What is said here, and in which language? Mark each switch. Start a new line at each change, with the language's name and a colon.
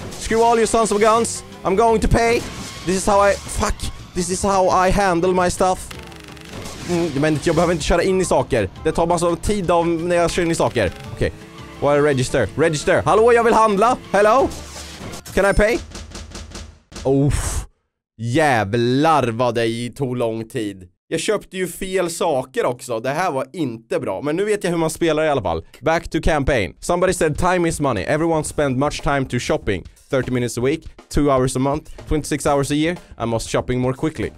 English: Screw all your sons of guns. I'm going to pay. This is how I... Fuck. This is how I handle my stuff.
Swedish: Men jag behöver inte köra in i saker. Det tar massor av tid av när jag kör in i saker.
English: Okej. Okay. What a register. Register.
Swedish: Hallå, jag vill handla.
English: Hello. Can I pay? Oof.
Swedish: Jävlar vad det tog lång tid. Jag köpte ju fel saker också. Det här var inte bra. Men nu vet jag hur man spelar i alla fall.
English: Back to campaign. Somebody said time is money. Everyone spend much time to shopping. 30 minutes a week. 2 hours a month. 26 hours a year. I must shopping more quickly.